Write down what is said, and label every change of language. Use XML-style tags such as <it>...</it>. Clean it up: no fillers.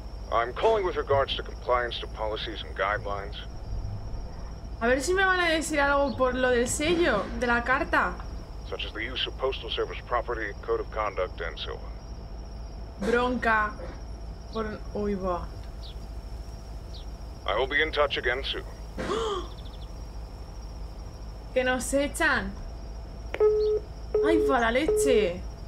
<en>I'm calling with regards to compliance to policies and guidelines.</en> <es>A ver si me van a decir algo por lo del sello, de la carta.</es> <en>Such as the use of Postal Service property, code of conduct, and so on.</en> <es>Bronca. Por... Uy, va.</es> <en>I will be in touch again soon.</en> <es>¡Que nos echan! ¡Ay, va la leche!</es>